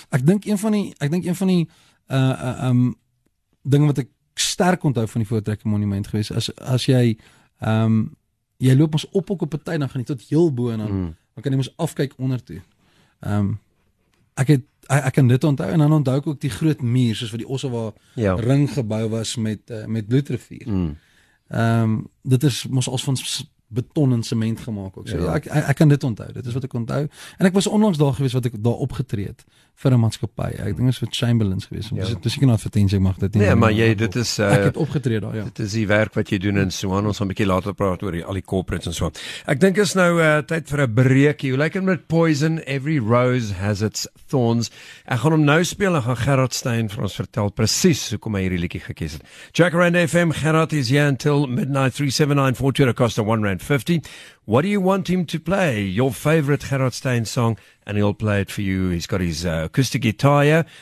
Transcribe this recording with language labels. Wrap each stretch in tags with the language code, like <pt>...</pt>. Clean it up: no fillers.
<af>Ek dink een van die dinge wat ek sterk onthou van die Voortrekker Monument gewees, as jy jy loop ons op ook op 'n tyd, dan gaan jy tot heel bo en dan kan jy ons afkyk onder toe. Ek kan dit onthou, en dan onthou ek ook die groot muur, soos wat die Ossawa ring gebou was met bloedrivier. Dit is mos als van beton en cement gemaakt ook. So. Ja, ek kan dit onthou, dit is wat ek onthou. En ek was onlangs daar gewees wat ek daar opgetreed vir 'n maatskappy. Ek dink is vir Chamberlains gewees. Dis seker nou advertensie, ek mag dit nie. Nee, maar jy, dit is... Ek het opgetreed daar, ja. Dit is die werk wat jy doen in Suwan. Ons gaan 'n bietjie later praat oor al die corporates en so. Ek dink is nou tyd vir 'n breekie. Hoe lyk het met Poison?</af> <en>Every rose has its thorns.</en> <af>Ek gaan hom nou speel en gaan Gerard Stein vir ons vertel presies hoekom hy hierdie liedjie gekies het.</af> <en>Jack Rand FM, Gerard is here until midnight, 37942 at a cost of R1.50. What do you want him to play? Your favorite Gerard Stein song, and he'll play it for you. He's got his acoustic guitar here.</en>